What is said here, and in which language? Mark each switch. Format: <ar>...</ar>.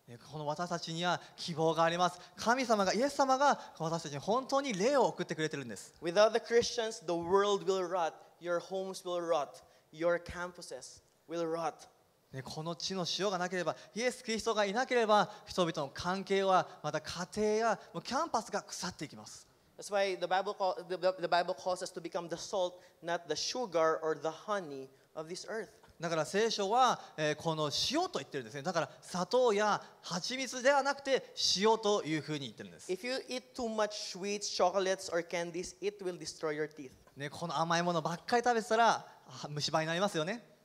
<ja>この私たちには希望があります。神様がイエス様が私たちに本当に霊を送ってくれてるんです。</ja> <en>Without the Christians, the world will rot. Your homes will rot. Your campuses will rot.</en> <ja>この地の塩がなければ、イエス・キリストがいなければ人々の関係はまた家庭やもうキャンパスが腐っていきます。</ja> <en>That's why the Bible calls us to become the salt, not the sugar or the honey of this earth.</en> <ja>だから聖書は、この塩と言ってるんですね。だから砂糖や蜂蜜ではなくて塩というふうに言ってるんです。</ja> <en>If you eat too much sweets, chocolates or candies, it will destroy your teeth.、</en> <ja>ね、この甘いものばっかり食べてたら虫歯になりますよね。</ja>